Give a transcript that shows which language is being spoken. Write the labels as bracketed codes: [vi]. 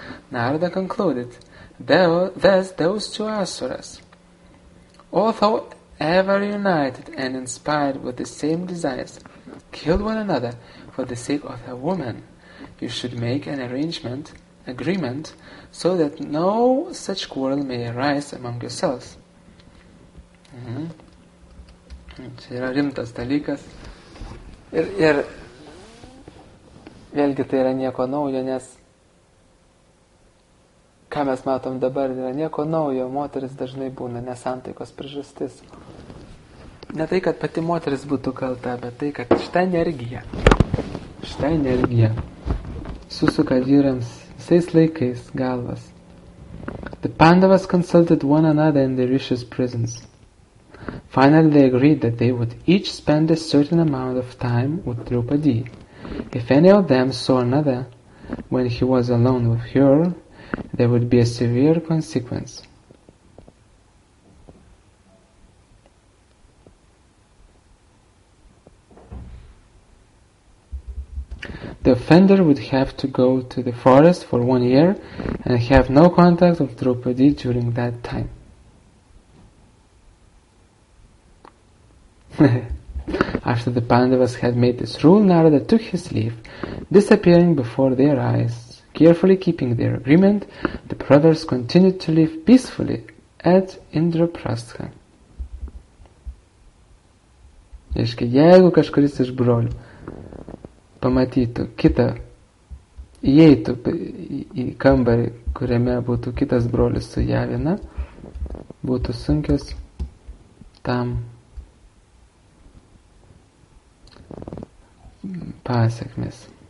[en] Narada concluded, "Thus those two asuras, although ever united and inspired with the same desires, killed one another for the sake of a woman. You should make an agreement, so that no such quarrel may arise among yourselves." [lt] Mm-hmm. Čia yra rimtas dalykas. Ir vėlgi tai yra nieko naujo, nes ką mes matom dabar, yra nieko naujo. Moteris dažnai būna nesantaikos priežastis. Ne tai, kad pati moteris būtų kalta, bet tai, kad šitą energiją susuka vyrams visais laikais galvas. [en] The Pandavas consulted one another in the Rishi's prisons. Finally, they agreed that they would each spend a certain amount of time with Drupadi. If any of them saw another when he was alone with her, there would be a severe consequence. The offender would have to go to the forest for 1 year and have no contact with Drupadi during that time. After the Pandavas had made this rule, Narada took his leave, disappearing before their eyes. Carefully keeping their agreement, the brothers continued to live peacefully at Indraprastha. [lt] Reiškia, jeigu kažkuris iš brolių pamatytų kitą, įeitų į kambarį, kuriame būtų kitas brolis su ja viena, būtų sunkios tam pasekmės.